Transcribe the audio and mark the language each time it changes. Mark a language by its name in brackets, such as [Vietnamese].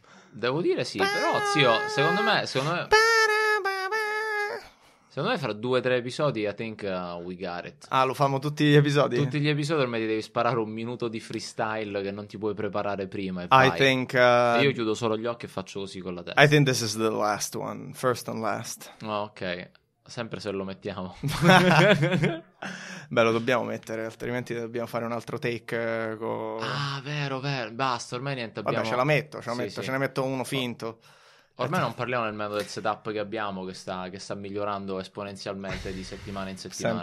[Italian] Devo dire sì, però zio, secondo me fra 2-3 episodi, [English] I think we got it. [Italian] Ah, lo famo tutti gli episodi? Tutti gli episodi ormai ti devi sparare un minuto di freestyle che non ti puoi preparare prima. Io chiudo solo gli occhi e faccio così con la testa. [English] I think this is the last one, first and last. [Italian] Oh, ok. Sempre se lo mettiamo. Beh, lo dobbiamo mettere, altrimenti dobbiamo fare un altro take. Ah, vero, basta, ormai niente abbiamo. Vabbè, ce la metto, sì. Ce ne metto uno finto. Ormai non parliamo nel metodo del setup che abbiamo, che sta migliorando esponenzialmente di settimana in settimana.